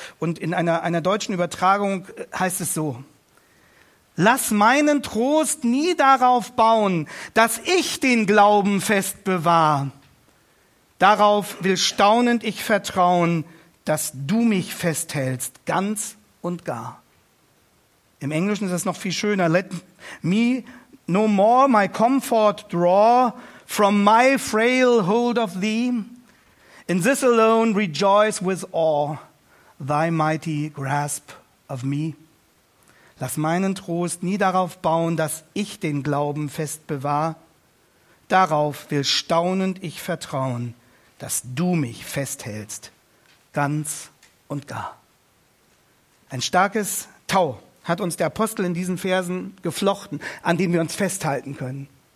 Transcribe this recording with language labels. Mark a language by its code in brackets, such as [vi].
[de] Und in einer deutschen Übertragung heißt es so: Lass meinen Trost nie darauf bauen, dass ich den Glauben fest bewahr. Darauf will staunend ich vertrauen, dass du mich festhältst, ganz und gar. Im Englischen ist das noch viel schöner. [en] Let me no more my comfort draw from my frail hold of thee. In this alone rejoice with awe thy mighty grasp of me. [de] Lass meinen Trost nie darauf bauen, dass ich den Glauben fest bewahr. Darauf will staunend ich vertrauen, dass du mich festhältst, ganz und gar. Ein starkes Tau hat uns der Apostel in diesen Versen geflochten, an dem wir uns festhalten können.